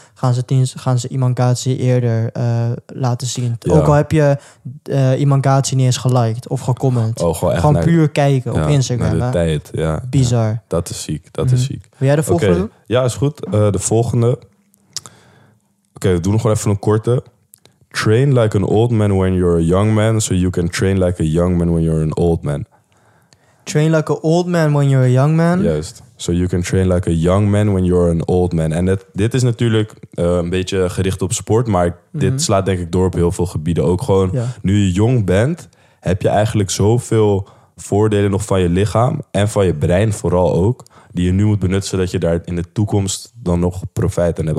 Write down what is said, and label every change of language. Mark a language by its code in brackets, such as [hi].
[nl] Gaan ze Iman Katsi eerder laten zien. Ja. Ook al heb je Iman Katsi niet eens geliked of gecomment. Oh, gewoon echt gewoon puur kijken op Instagram. Naar de tijd, ja. Bizar. Ja, dat is ziek, dat is ziek. Wil jij de volgende doen? Ja, is goed. De volgende. Oké, we doen nog wel even een korte. [en] Train like an old man when you're a young man, so you can train like a young man when you're an old man. Train like an old man when you're a young man. [nl] Juist. [en] So you can train like a young man when you're an old man. [nl] En dit is natuurlijk een beetje gericht op sport, maar dit slaat denk ik door op heel veel gebieden. Ook gewoon, nu je jong bent, heb je eigenlijk zoveel voordelen nog van je lichaam en van je brein vooral ook, die je nu moet benutten, zodat je daar in de toekomst dan nog profijt aan hebt.